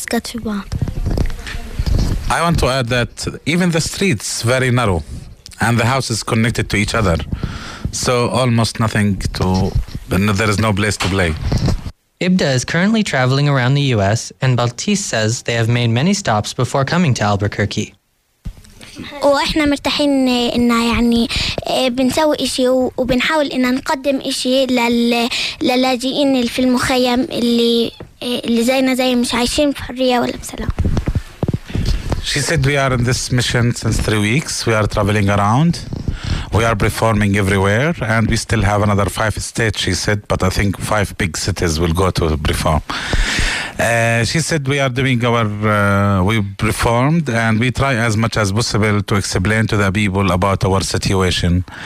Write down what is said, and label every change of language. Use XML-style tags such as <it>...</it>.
<en>I want to add that even the streets very narrow, and the houses connected to each other. So almost nothing to, there is no place to play. Ibda is currently traveling around the U.S. and Baltis says they have made many stops before coming to Albuquerque.</en> <ar>وإحنا مرتاحين إن يعني بنسوي إشي وبنحاول إن نقدم إشي للاجئين في المخيم اللي زينا زي مش عايشين في حرية ولا بسلام.</ar> <en>She said we are in this mission since 3 weeks. We are traveling around. We are performing everywhere, and we still have another 5 states, she said, but I think 5 big cities will go to perform. She said we are doing our, we performed, and we try as much as possible to explain to the people about our situation.</en>